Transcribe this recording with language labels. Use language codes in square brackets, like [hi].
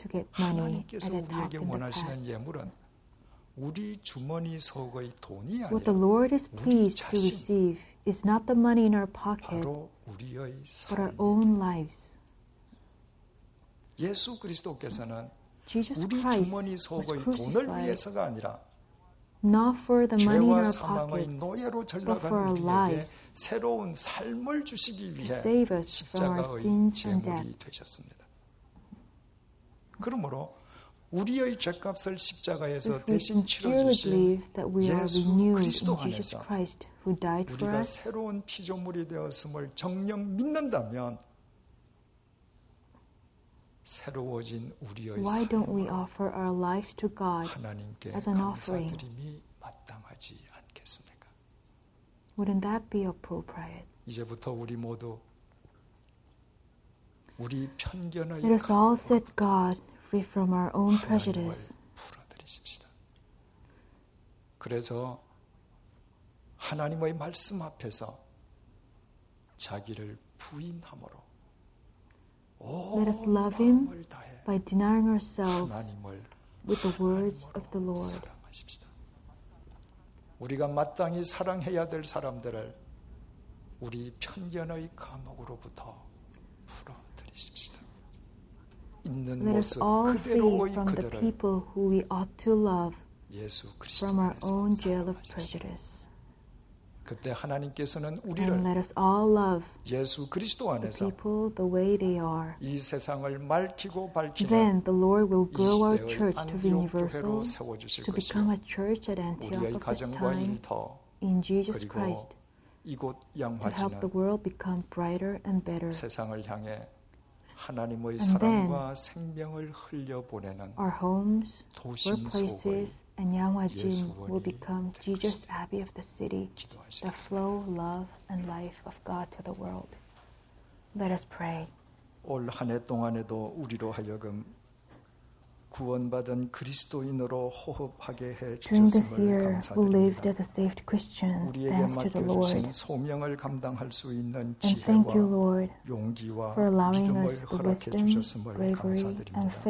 [ko] 하나님께서 우리에게 원하시는 예물은 우리 주머니 속의 돈이 아니라 우리 자신 [en] is not the money in our pocket, but our own lives. [ko] 예수 그리스도께서는 우리 주머니 속의 돈을 위해서가 아니라 [en] not for the money in our pockets, but for our lives. [ko] 새로운 삶을 주시기 위해 십자가의 제물이 되셨습니다. 그러므로 우리의 죄값을 십자가에서 대신 치러주신 예수 그리스도 안에서 우리가 새로운 피조물이 되었음을 정녕 믿는다면 새로워진 우리의 삶으로 하나님께 감사드림이 마땅하지 않겠습니까? [en] Wouldn't that be appropriate? [ko] 이제부터 우리 모두 우리 편견의 [en] Let us all set God free from our own prejudice. [ko] 풀어드리십시다. 그래서 하나님의 말씀 앞에서 자기를 부인함으로 [en] Let us love him by denying ourselves with the words of the Lord. [ko] 사랑하십시다. 우리가 마땅히 사랑해야 될 사람들을 우리 편견의 감옥으로부터 풀어드리십시다. 있는 [en] Let [ko] 모습 [en] us all [ko] 그대로의 [en] from [ko] 그대를 [en] the people who we ought to love [ko] 예수 그리스도에서 사랑하십시다. 그때 하나님께서는 우리를 [en] let us all love [ko] 예수 그리스도 안에서 [en] the people, the way they are. [ko] 이 세상을 밝히고 밝히는 [en] Then the Lord will grow our church to be universal, to become a church at Antioch of this time in Jesus Christ, to help the world become brighter and better. [ko] 세상을 향해 하나님의 사랑과 생명을 흘려보내는 [en] our homes, [ko] 도심 [en] workplaces, [ko] 속의 [en] and Yanghwa-jin will become Jesus Abbey of the city, the flow, love, and life of God to the world. Let us pray. [ko] 올 한 해 동안에도 우리로 하여금 구원받은 그리스도인으로 호흡하게 해 주셨음을 감사드립니다. 우리에게 맡겨주신 소명을 감당할 수 있는 지혜와 용기와 믿음을 허락해 주셨음을 감사드립니다.